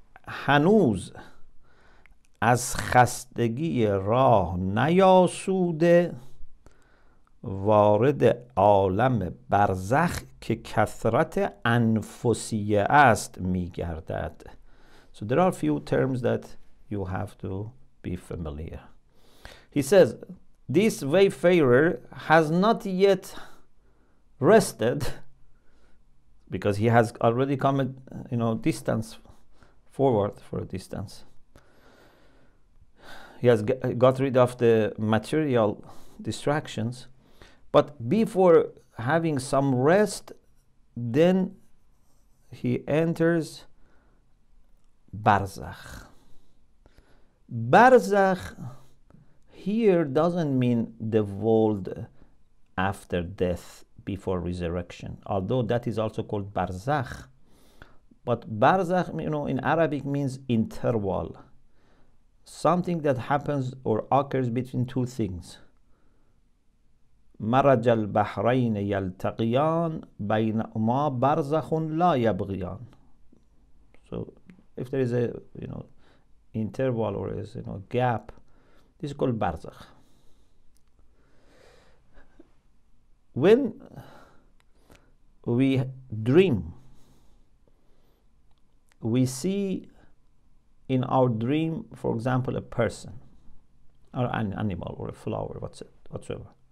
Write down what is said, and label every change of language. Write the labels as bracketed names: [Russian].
[Persian] هنوز از خستگی راه نیاسوده وارد عالم برزخ که کثرت انفسیه است میگردد. [English] So there are few terms that you have to be familiar. He says, this wayfarer has not yet rested because he has already come, you know, distance forward for a distance. He has got rid of the material distractions, but before having some rest, then he enters barzakh. Barzakh here doesn't mean the world after death, before resurrection, although that is also called barzakh. But barzakh, you know, in Arabic means interval. Something that happens or occurs between two things. [Arabic] مرج البحرين يلتقيان بينهما برزخ لا يبغيان. [English] So if there is a, you know, interval or is, you know, gap, this is called barzakh. When we dream, we see in our dream, for example, a person or an animal or a flower, whatsoever.